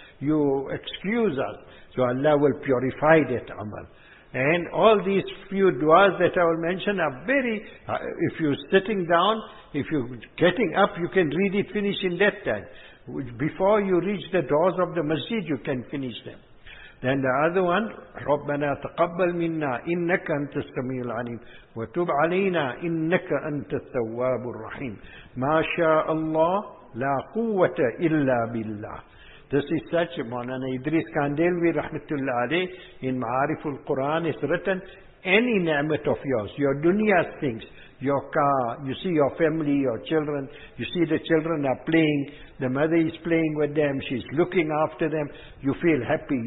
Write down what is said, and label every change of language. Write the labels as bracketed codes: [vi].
[en] You excuse us. So Allah will purify that amal. And all these few duas that I will mention are very, if you're sitting down, if you're getting up, you can read it, finish in that time. Before you reach the doors of the masjid, you can finish them. Then the other one, [ar] رَبَّنَا تَقَبَّلْ مِنَّا إِنَّكَ أَنْتَ السَّمِيعُ الْعَلِيمُ وَتُبْ عَلَيْنَا إِنَّكَ أَنْتَ التَّوَّابُ الرَّحِيمُ مَا شَاءَ اللَّهُ لَا قُوَّةَ إِلَّا بِاللَّهِ. [en] This is such, Mawlana Idris Kandelvi Rahmatullah Alayh in Ma'ariful Quran is written, any ni'mat of yours, your dunya's things, your car, you see your family, your children, you see the children are playing, the mother is playing with them, she's looking after them, you feel happy.